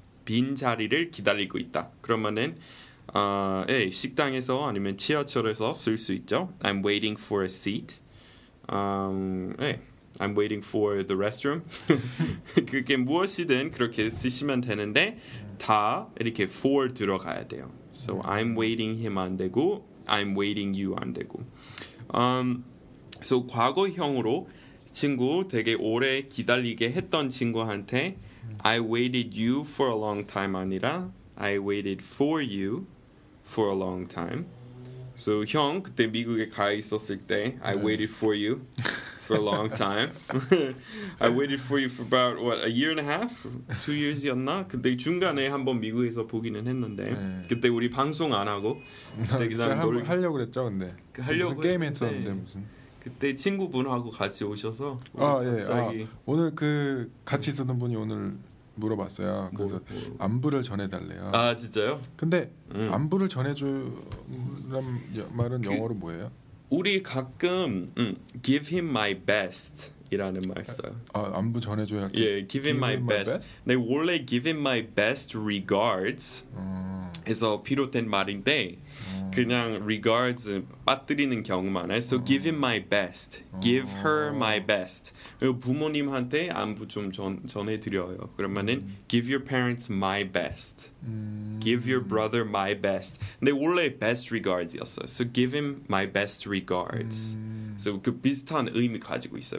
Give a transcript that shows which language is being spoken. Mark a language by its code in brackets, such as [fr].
[ko] 빈 자리를 기다리고 있다. 그러면은 식당에서 아니면 지하철에서 쓸 수 있죠. [en] I'm waiting for a seat. I'm waiting for the restroom. [ko] 그게 무엇이든 그렇게 쓰시면 되는데 다 이렇게 for 들어가야 돼요. [en] So I'm waiting him [ko] 안 되고 [en] I'm waiting you 안 되고. So [ko] 과거형으로 친구 되게 오래 기다리게 했던 친구한테 [en] I waited you for a long time [ko] 아니라 [en] I waited for you for a long time. So [ko] 형 그때 미국에 가 있었을 때 [en] I waited for you. for a long time. I waited for you for about what, a year and a half? [ko] 2 years이었나? 근데 중간에 한번 미국에서 보기는 했는데 네. 그때 우리 방송 안 하고 그때 그냥 그때 놀... 하려고 그랬죠. 근데 그 하려고 무슨 게임 했었는데 무슨 그때 친구분하고 같이 오셔서 아 예. 갑자기... 아, 오늘 그 같이 있었던 분이 오늘 물어봤어요. 그래서 뭐, 뭐. 안부를 전해달래요. 아 진짜요? 근데 안부를 전해주란 말은 그, 영어로 뭐예요? 우리 가끔 [en] give him my best [ko] 이라는 말 써요. 아 안부 전해줘야 [en] 예, give him my best. [ko] 네, 원래 [en] give him my best regards [ko] 해서 비롯된 말인데 그냥 regards 빠뜨리는 경우만 해서 [en] so give him my best, give her my best. [ko] 그리고 부모님한테 안부 좀 전해드려요. 그러면은 [en] give your parents my best, give your brother my best. [ko] 근데 원래 [en] best regards였어. So give him my best regards. [ko] So 그 비슷한 의미 가지고 있어.